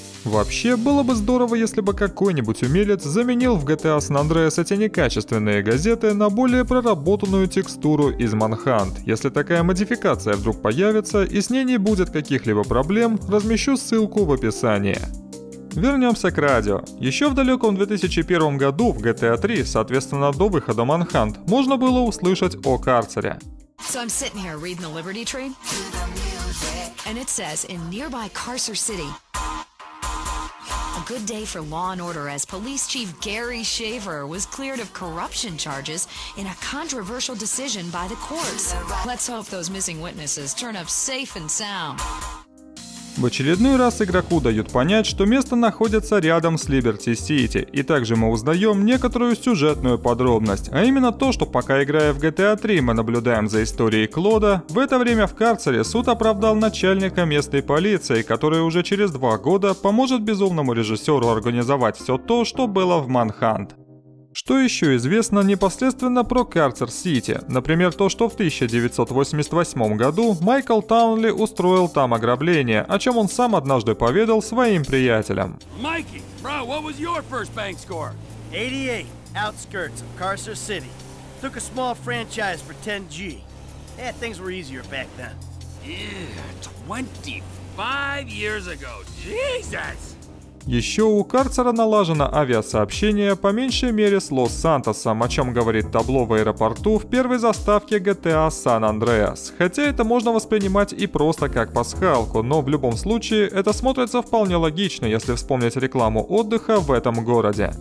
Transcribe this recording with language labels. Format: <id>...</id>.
<ru>Вообще, было бы здорово, если бы какой-нибудь умелец заменил в GTA San Andreas эти некачественные газеты на более проработанную текстуру из Manhunt. Если такая модификация вдруг появится и с ней не будет каких-либо проблем, размещу ссылку в описании. Вернемся к радио. Еще в далеком 2001 году в GTA 3, соответственно до выхода Manhunt, можно было услышать о карцере.</ru> <en>So I'm sitting here reading the Liberty Train, and it says in nearby Carcer City. A good day for law and order as police chief Gary Shaver was cleared of corruption charges in a controversial decision by the courts. Let's hope those missing witnesses turn up safe and sound.</en> <ru>В очередной раз игроку дают понять, что место находится рядом с Liberty City, и также мы узнаем некоторую сюжетную подробность, а именно то, что пока играя в GTA 3 мы наблюдаем за историей Клода, в это время в карцере суд оправдал начальника местной полиции, который уже через 2 года поможет безумному режиссеру организовать все то, что было в Manhunt. Что еще известно непосредственно про Карцер-Сити? Например, то, что в 1988 году Майкл Таунли устроил там ограбление, о чем он сам однажды поведал своим приятелям. Майки, бро,</ru> <en>what was your first bank score? 88, outskirts of Carcer City. Took a small franchise for 10G. Yeah, things were easier back then. Yeah, 25 years ago. Jesus!</en> <ru>Еще у карцера налажено авиасообщение по меньшей мере с Лос-Сантосом, о чем говорит табло в аэропорту в первой заставке GTA San Andreas. Хотя это можно воспринимать и просто как пасхалку, но в любом случае это смотрится вполне логично, если вспомнить рекламу отдыха в этом городе.</ru>